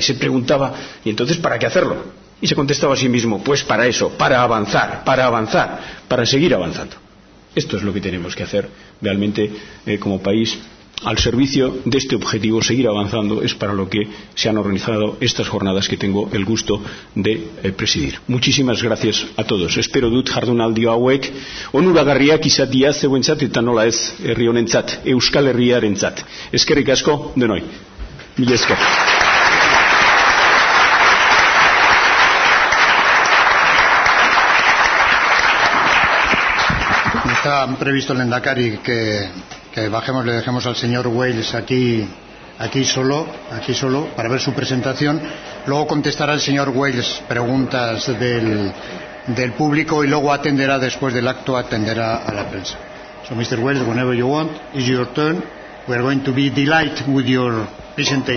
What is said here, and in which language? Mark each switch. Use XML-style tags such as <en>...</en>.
<es>Y se preguntaba, ¿y entonces para qué hacerlo? Y se contestaba a sí mismo, pues para eso, para avanzar, para seguir avanzando. Esto es lo que tenemos que hacer realmente como país. Al servicio de este objetivo, seguir avanzando, es para lo que se han organizado estas jornadas que tengo el gusto de presidir. Muchísimas gracias a todos.</es> <eu>Espero dut jardunaldi hauek onuragarriak izatea zeuentzat eta nola ez herri honentzat, Euskal Herriarentzat. Eskerrik asko denoi. Mil esker.</eu> <es>Está previsto el Lehendakari que bajemos, le dejemos al señor Wales aquí solo para ver su presentación. Luego contestará el señor Wales preguntas del público y luego atenderá después del acto a la prensa.</es> <en>So Mr. Wales, whenever you want, it's your turn. We are going to be delighted with your presentation.</en>